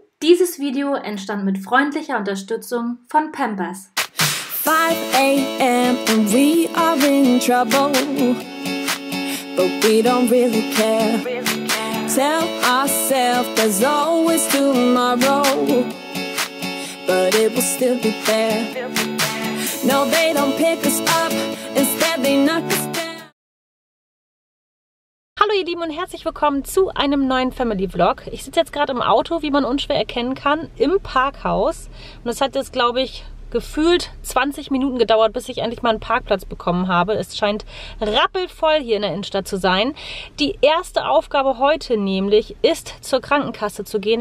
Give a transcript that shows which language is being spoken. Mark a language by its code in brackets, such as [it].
[de] Dieses Video entstand mit freundlicher Unterstützung von Pampers. [en] 5 a.m. and we are in trouble, but we don't really care. Tell ourselves there's always tomorrow, but it will still be there. No, they don't pick us up, instead they knock us down. [de] Hallo ihr Lieben und herzlich willkommen zu einem neuen Family Vlog. Ich sitze jetzt gerade im Auto, wie man unschwer erkennen kann, im Parkhaus. Und es hat jetzt, glaube ich, gefühlt 20 Minuten gedauert, bis ich endlich mal einen Parkplatz bekommen habe. Es scheint rappelvoll hier in der Innenstadt zu sein. Die erste Aufgabe heute nämlich ist, zur Krankenkasse zu gehen.